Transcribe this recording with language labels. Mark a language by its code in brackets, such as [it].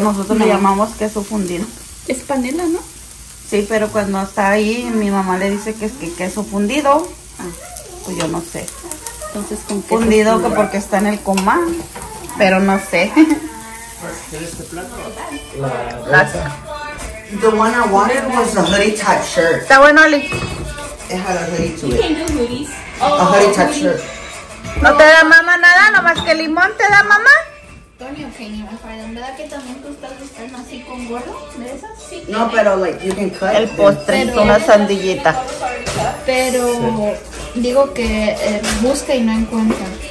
[es] Nosotros le llamamos queso fundido. Es panela, ¿no? Sí, pero cuando está ahí, mi mamá le dice que es que queso fundido. Pues yo no sé. Entonces confundido que porque está en el comal, pero no sé. [en] The one I wanted was a hoodie type shirt. [es] Está bueno, Ali. [en] It had a hoodie to it. A hoodie type shirt. [es] No te da mamá nada, nomás que limón te da mamá. Tony Eugenio, ¿verdad que también tú estás así con gordo de esas? No, pero, [en] like, you can cut. [es] El postre, una sandillita. Pero digo que busca y no encuentra.